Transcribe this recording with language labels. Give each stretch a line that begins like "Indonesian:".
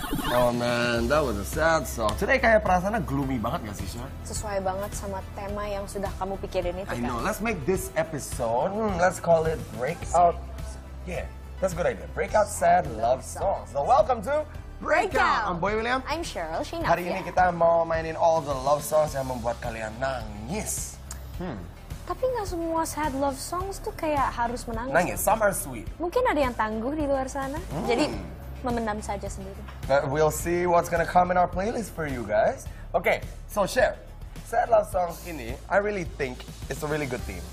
English: Oh man, that was a sad song.
Indonesian: Today kayak perasaannya gloomy banget gak sih, Shay? Sesuai banget sama tema yang sudah kamu pikirin itu, kan?
English: I know, let's make this episode, let's call it breakout. Yeah, that's a good idea. Breakout sad love song. So welcome to Breakout. I'm Boy William. I'm Cheryl Sheena.
Indonesian: Hari ini kita mau mainin
English: all the love songs
Indonesian: yang membuat kalian nangis. Tapi gak semua sad love songs tuh kayak harus menangis.
English: Nangis, some are sweet.
Indonesian: Mungkin ada yang tangguh di luar sana. Jadi memendam saja sendiri.
English: But we'll see what's gonna come in our playlist for you guys. Okay, so share. Sad love songs ini, I really think it's a really good theme.